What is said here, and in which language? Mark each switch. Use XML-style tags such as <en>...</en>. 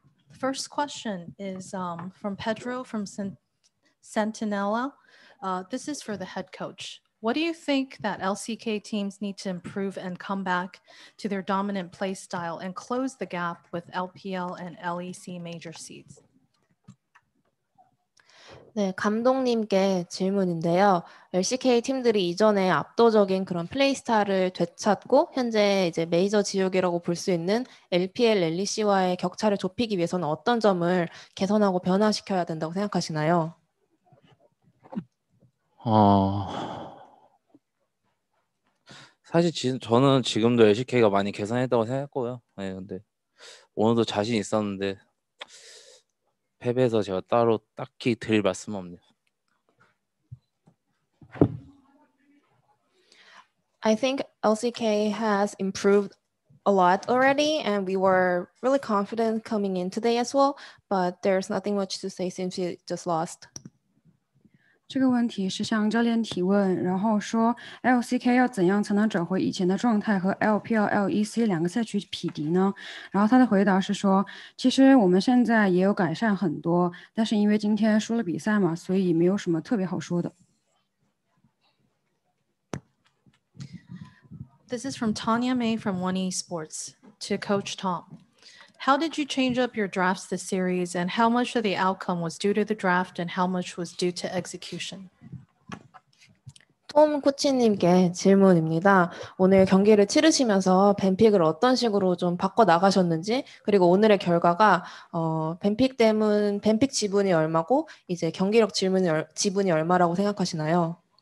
<en>First question is from Pedro from Sentinella. This is for the head coach. What do you think that LCK teams need to improve and come back to their dominant play style and close the gap with LPL and LEC major seeds?</en> <ko>네, 감독님께 질문인데요. LCK 팀들이 이전에 압도적인 그런 플레이스타일을 되찾고 현재 이제 메이저 지역이라고 볼 수 있는 LPL, LEC와의 격차를 좁히기 위해서는 어떤 점을 개선하고 변화시켜야 된다고 생각하시나요? 사실 저는 지금도 LCK가 많이 개선했다고 생각했고요. 네, 근데 오늘도 자신 있었는데 패배해서 제가 따로 딱히 드릴 말씀 없네요.</ko> <en>I think LCK has improved a lot already, and we were really confident coming in today as well. But there's nothing much to say since we just lost.</en> <zh>这个问题是向教练提问，然后说 LCK 要怎样才能找回以前的状态和 LPL、 LEC 两个赛区匹敌呢？然后他的回答是说，其实我们现在也有改善很多，但是因为今天输了比赛嘛，所以没有什么特别好说的。</zh> <en>This is from Tanya May from One Esports to Coach Tom. How did you change up your drafts this series, and how much of the outcome was due to the draft, and how much was due to execution?</en> <ko>Tom 코치님께 질문입니다. 오늘 경기를 치르시면서 밴픽을 어떤 식으로 좀 바꿔 나가셨는지, 그리고 오늘의 결과가 밴픽 때문 밴픽 지분이 얼마고 이제 경기력 지분이 얼마라고 생각하시나요?</ko>